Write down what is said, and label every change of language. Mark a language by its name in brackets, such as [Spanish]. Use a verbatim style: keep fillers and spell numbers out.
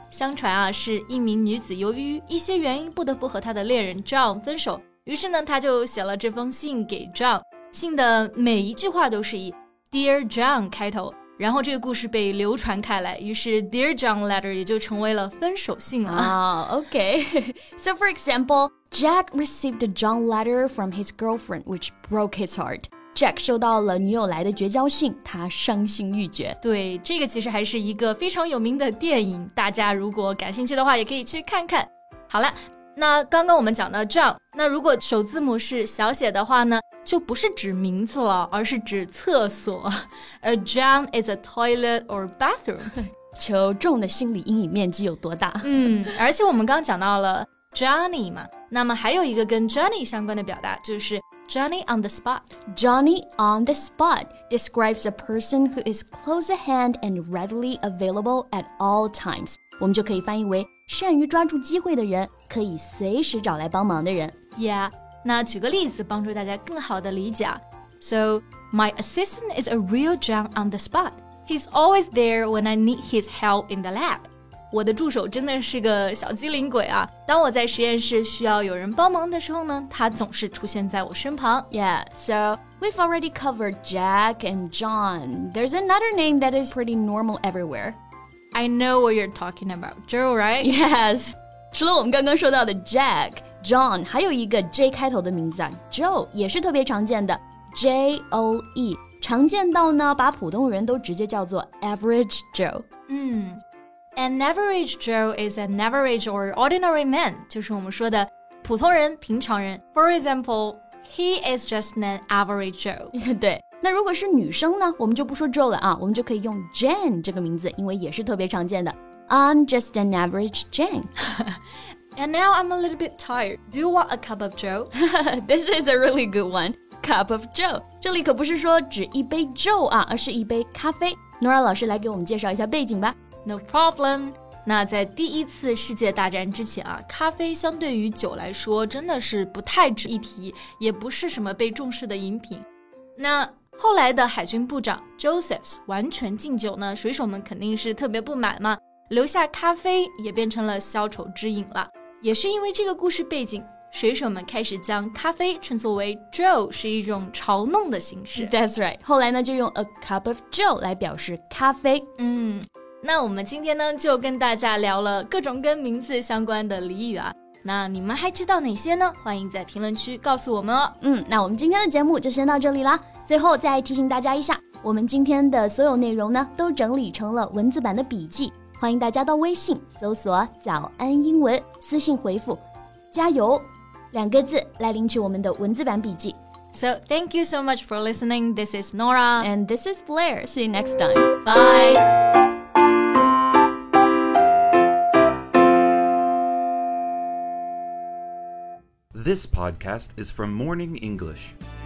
[Chinese] 相传啊是一名女子由于一些原因不得不和她的恋人 John 分手，于是呢她就写了这封信给 John， 信的每一句话都是以 Dear John 开头，然后这个故事被流传开来，于是 Dear John Letter 也就成为了分手信了。 [English] Oh, okay. So for example, Jack received a John letter from his girlfriend, which broke his heart. [Chinese] Jack 收到了女友来的绝交信，他伤心欲绝。对，这个其实还是一个非常有名的电影，大家如果感兴趣的话也可以去看看。好了，那刚刚我们讲到 John， 那如果首字母是小写的话呢，就不是指名字了，而是指厕所。 [English] A John is a toilet or bathroom。 [Chinese] 求重的心理阴影面积有多大？嗯，而且我们刚讲到了 Johnny 嘛，那么还有一个跟 Johnny 相关的表达就是Johnny on the spot. [English] Johnny on the spot describes a person who is close at hand and readily available at all times. [Chinese] 我们就可以翻译为善于抓住机会的人，可以随时找来帮忙的人。 Yeah, 那举个例子帮助大家更好的理解。 [English] So, my assistant is a real John on the spot. He's always there when I need his help in the lab. [Chinese] 我的助手真的是个小机灵鬼啊，当我在实验室需要有人帮忙的时候呢，他总是出现在我身旁。 [English] Yeah, so we've already covered Jack and John. There's another name that is pretty normal everywhere. I know what you're talking about, Joe, right? Yes. [Chinese] 除了我们刚刚说到的 Jack, John, 还有一个 J 开头的名字啊 Joe 也是特别常见的 J O E, 常见到呢把普通人都直接叫做 Average Joe. [English] 嗯An average Joe is an average or ordinary man, [Chinese] 就是我们说的普通人、平常人。 [English] For example, he is just an average Joe. [Chinese] 对，那如果是女生呢，我们就不说 Joe 了啊，我们就可以用 Jane 这个名字，因为也是特别常见的。 [English] I'm just an average Jane. And now I'm a little bit tired. Do you want a cup of Joe? This is a really good one. Cup of Joe. [Chinese] 这里可不是说只一杯 Joe 啊，而是一杯咖啡。 Nora 老师来给我们介绍一下背景吧。 [English] No problem. [Chinese] 那在第一次世界大战之前啊，咖啡相对于酒来说真的是不太值一提，也不是什么被重视的饮品。那后来的海军部长 Josephs 完全禁酒呢，水手们肯定是特别不满嘛，留下咖啡也变成了消愁之饮了。也是因为这个故事背景，水手们开始将咖啡称作为 Joe， 是一种嘲弄的形式。 [English] That's right. [Chinese] 后来呢就用 a cup of Joe 来表示咖啡。嗯，那我们今天呢就跟大家聊了各种跟名字相关的俚语啊，那你们还知道哪些呢？欢迎在评论区告诉我们哦。嗯，那我们今天的节目就先到这里啦。最后再提醒大家一下，我们今天的所有内容呢都整理成了文字版的笔记，欢迎大家到微信搜索早安英文，私信回复加油两个字来领取我们的文字版笔记。 [English] So thank you so much for listening. This is Nora. And this is Blair. See you next time. Bye. This podcast is from Morning English.